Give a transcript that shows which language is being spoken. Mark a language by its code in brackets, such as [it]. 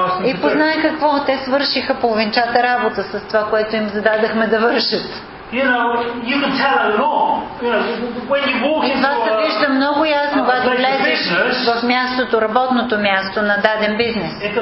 [bg] И познай какво, те свършиха половинчата работа с това, което им зададахме да вършат. [en] You know, you can tell a lot. You know, when you walk into [bg] много ясно, когато влезеш в мястото, работното място на даден бизнес.